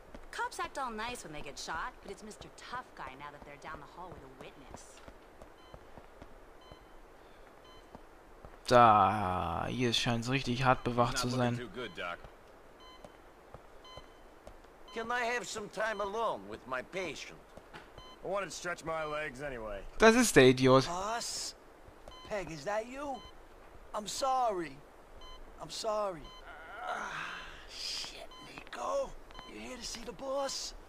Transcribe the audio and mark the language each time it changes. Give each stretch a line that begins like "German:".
English: Cops act all nice when they get shot, but it's Mr. Tough Guy now that they're down the hall with a witness.
German: Da, hier scheint es richtig hart bewacht zu sein.
English: Can I have some time alone with my patient? I wanted to stretch my legs anyway.
German: Das ist der Idiot.
English: Boss? Peg, is that you? I'm sorry. I'm sorry. Shit, Nico. You here to see the boss?